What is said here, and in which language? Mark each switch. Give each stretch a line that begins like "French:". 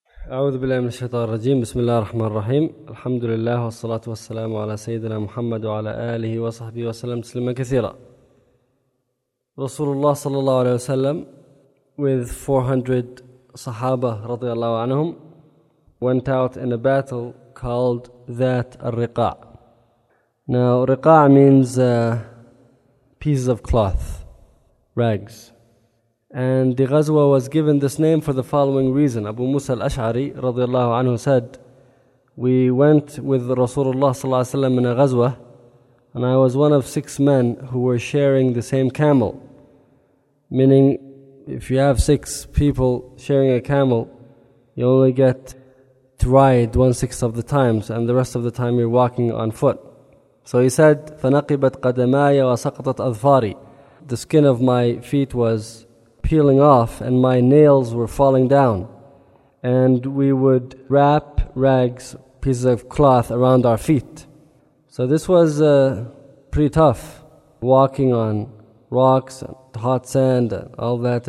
Arabic: أعوذ بالله من الشيطان الرجيم بسم الله الرحمن الرحيم الحمد لله والصلاة والسلام على سيدنا محمد وعلى آله وصحبه وسلم تسليما كثيرا. رسول الله صلى الله عليه وسلم
English: with 400
Arabic: صحابة رضي الله عنهم
English: went out in a battle called
Arabic: ذات الرقاع.
English: Now رقاع means pieces of cloth, rags. And the Ghazwa was given this name for the following reason. Abu Musa al-Ash'ari radiallahu anhu said, we went with Rasulullah sallallahu alayhi wa sallam in a Ghazwa, and I was one of six men who were sharing the same camel. Meaning, if you have six people sharing a camel, you only get to ride 1/6 of the times, and the rest of the time you're walking on foot. So he said,
Arabic: فَنَقِبَتْ قَدَمَايَ وَسَقْطَتْ أَذْفَارِ.
English: The skin of my feet was peeling off and my nails were falling down, and we would wrap rags, pieces of cloth around our feet. So this was pretty tough, walking on rocks, hot sand, all that.